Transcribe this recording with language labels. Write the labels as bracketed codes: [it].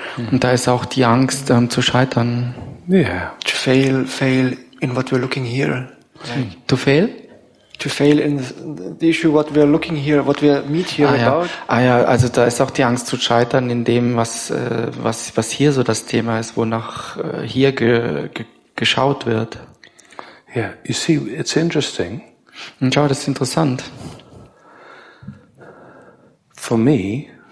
[de] Und da ist auch die Angst zu scheitern. [en] Yeah. To fail in what we're looking here. To fail? to fail in the issue what we are looking here, what we meet here about. [de] Ah ja, also da ist auch die Angst zu scheitern in dem, was was hier so das Thema ist, wonach hier geschaut wird. [en] Yeah, you see, it's interesting. [de] Und schau, das ist interessant. [en] For me,